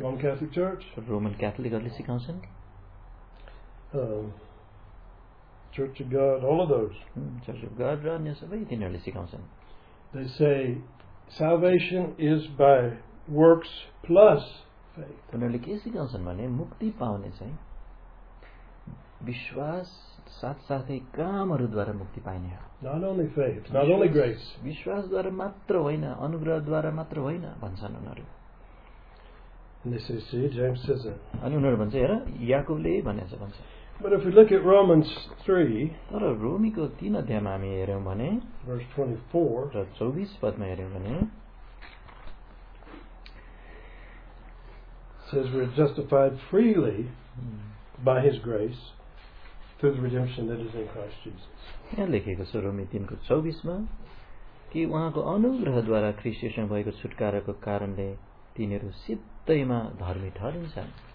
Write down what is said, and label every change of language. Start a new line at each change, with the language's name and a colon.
English: Roman Catholic Church.
Nepali: Roman Catholic harle sikaunchan.
English: Church of God, all of those.
Nepali: Church of God ra anya sabai tinharle sikaunchan.
English: They say salvation is by works plus faith.
Nepali: उनीहरूले के सिकाउँछन् भने मुक्ति पाउने चाहिँ विश्वास साथसाथै कामहरूद्वारा मुक्ति पाइने हो.
English: Not only faith, not only grace.
Nepali: विश्वासद्वारा मात्र होइन अनुग्रहद्वारा मात्र होइन भन्छन् उनीहरू.
English: And they say, see, James says it.
Nepali: अनि उनीहरू भन्छ हेर याकुबले भनेछ भन्छ.
English: But if we look at Romans 3,
Nepali: तर रोमीको तीन अध्यायमा हामी हेर्यौँ भने
English: verse 24
Nepali: र 24 पदमा हेर्यौँ भने
English: says we're justified freely by his grace through the redemption that is in Christ Jesus.
Nepali: यहाँ लेखेको छ रोमी 3:24 कि उहाँको अनुग्रहद्वारा ख्रीष्टसँग भएको छुटकाराको कारणले तिनीहरू सित्तैमा धर्मी ठहरिन्छन्.